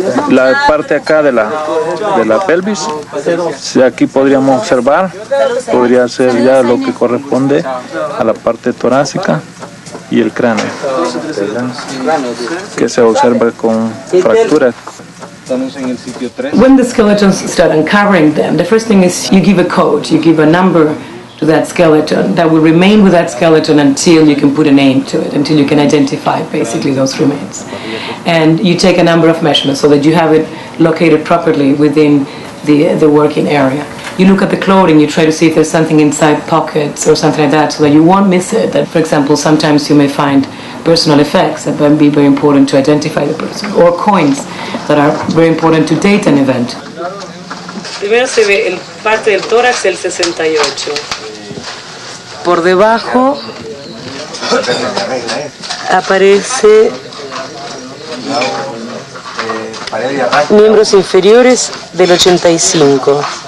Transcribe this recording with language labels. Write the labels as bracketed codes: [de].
[es] La parte acá de la pelvis, si aquí podríamos observar, podría ser ya lo que corresponde a la parte torácica y el cráneo, que se observa con fracturas. [en] When the skeletons start uncovering them, the first thing is you give a code, you give a number to that skeleton that will remain with that skeleton until you can put a name to it, until you can identify basically those remains. And you take a number of measurements so that you have it located properly within the working area. You look at the clothing, you try to see if there's something inside pockets or something like that so that you won't miss it. That, for example, sometimes you may find personal effects that can be very important to identify the person, or coins that are very important to date an event. [es] Primero se ve el parte del tórax el 68. Por debajo aparece miembros inferiores del 85.